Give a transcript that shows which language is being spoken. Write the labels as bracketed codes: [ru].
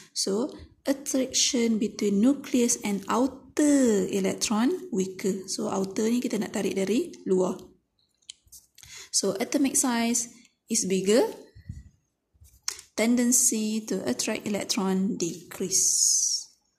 [en] So, attraction between nucleus and outer electron weaker. [ms] So outer ni kita nak tarik dari luar. [en] So atomic size is bigger, tendency to attract electron decrease.